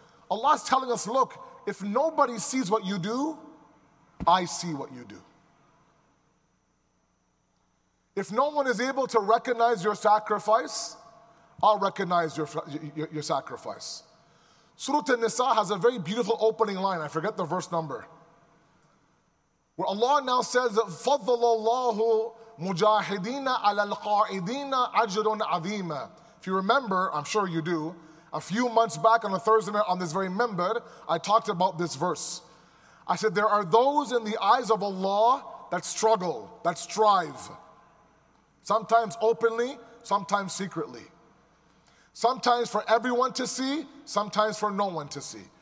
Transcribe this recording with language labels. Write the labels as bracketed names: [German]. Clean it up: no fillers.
[English] Allah's telling us, look, if nobody sees what you do, I see what you do. If no one is able to recognize your sacrifice, I'll recognize your sacrifice. Surah An-Nisa has a very beautiful opening line. I forget the verse number. Where Allah now says, [Arabic] فَضَّلَ اللَّهُ مُجَاهِدِينَ عَلَى الْقَاعِدِينَ أَجْرٌ عَظِيمًا. [English] If you remember, I'm sure you do, a few months back on a Thursday night on this very minbar, I talked about this verse. I said, there are those in the eyes of Allah that struggle, that strive. Sometimes openly, sometimes secretly. Sometimes for everyone to see, sometimes for no one to see.